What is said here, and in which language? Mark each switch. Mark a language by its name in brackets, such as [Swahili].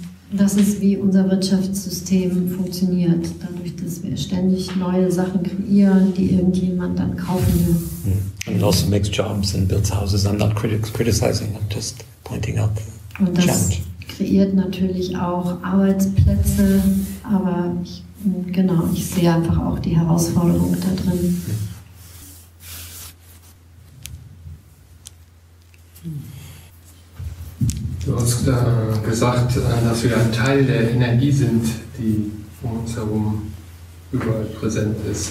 [German] Das ist, wie unser Wirtschaftssystem funktioniert, dadurch, dass wir ständig neue Sachen kreieren, die irgendjemand dann kaufen will. [English] And it also makes jobs and builds houses. I'm not criticizing, I'm just pointing out the challenge. [German] Und das kreiert natürlich auch Arbeitsplätze, aber ich sehe einfach auch die Herausforderung da drin. Du hast gesagt, dass wir ein Teil der Energie sind, die um uns herum überall präsent ist.